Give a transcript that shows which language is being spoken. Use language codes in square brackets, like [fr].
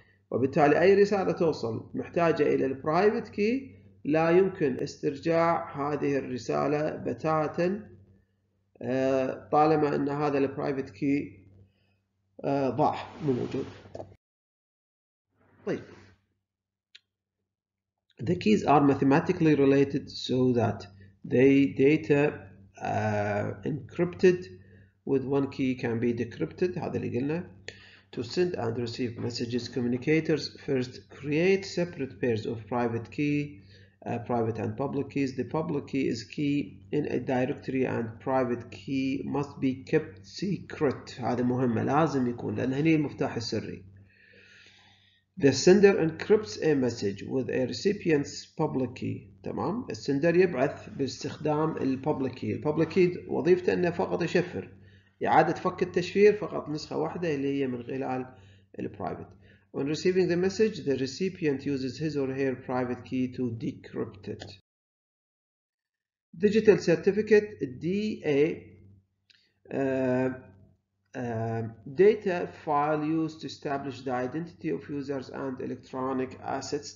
[ar] وبالتالي أي رسالة توصل محتاجة إلى البرايفت كي لا يمكن استرجاع هذه الرسالة بتاتا طالما ان هذا البرايفت كي ضاع مو موجود. طيب [en] the keys are mathematically related so that the data encrypted with one key can be decrypted. [ar] هذا اللي قلنا. [en] To send and receive messages, communicators first create separate pairs of private key private and public keys. The public key is key in a directory and private key must be kept secret. [ar] هذا مهمة لازم يكون لأن هني المفتاح السري. [en] The sender encrypts a message with a recipient's public key. [ar] تمام؟ السندر يبعث باستخدام الpublic key. الpublic key وظيفته انه فقط يشفر. إعادة فك التشفير فقط نسخة واحدة اللي هي من خلال الprivate. [en] When receiving the message, the recipient uses his or her private key to decrypt it. Digital certificate DA. Data file used to establish the identity of users and electronic assets.